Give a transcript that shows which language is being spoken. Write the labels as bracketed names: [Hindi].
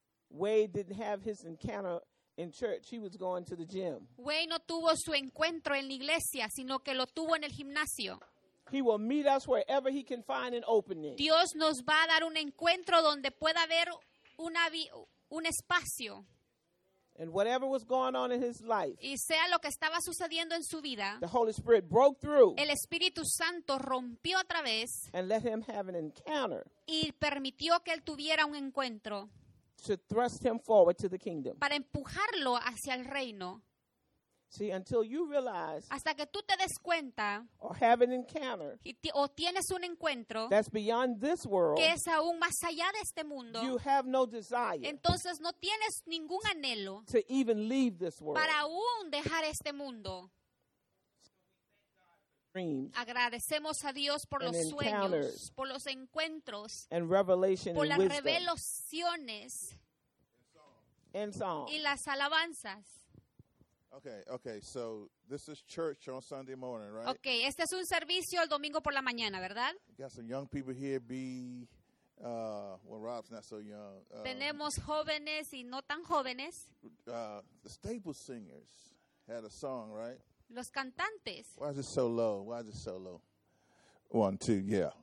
[English] Wade didn't have his encounter in church. He was going to the gym. [Spanish] Wade no tuvo su encuentro en la iglesia, sino que lo tuvo en el gimnasio. [English] He will meet us wherever he can find an opening. [Spanish] Dios nos va a dar un encuentro donde pueda haber un espacio. [English] And whatever was going on in his life. [Spanish] Y sea lo que estaba sucediendo en su vida. [English] The Holy Spirit broke through. [Spanish] El Espíritu Santo rompió otra vez. [English] And let him have an encounter. [Spanish] Y permitió que él tuviera un encuentro. [English] To thrust him forward to the kingdom. [Spanish] Para empujarlo hacia el reino. [English] See, until you realize [Spanish] hasta que tú te des cuenta [English] or have an encounter [Spanish] o tienes un encuentro [English] that's beyond this world, [Spanish] que es aún más allá de este mundo, [English] you have no desire [Spanish] entonces no tienes ningún anhelo [English] to even leave this world. [Spanish] Para aún dejar este mundo. Agradecemos a Dios por los sueños, por los encuentros, [English] and revelation [Spanish] por [English] and [Spanish] las [English] wisdom. [Spanish] Revelaciones [English] and song. [Spanish] Y las alabanzas. [English] Okay, so this is church on Sunday morning, right? [Spanish] Okay, este es un servicio el domingo por la mañana, ¿verdad? [English] We got some young people here, Rob's not so young. [Spanish] Tenemos jóvenes y no tan jóvenes. [English] The Staple Singers had a song, right? [Spanish] Los cantantes. [English] Why is it so low? 1, 2, yeah.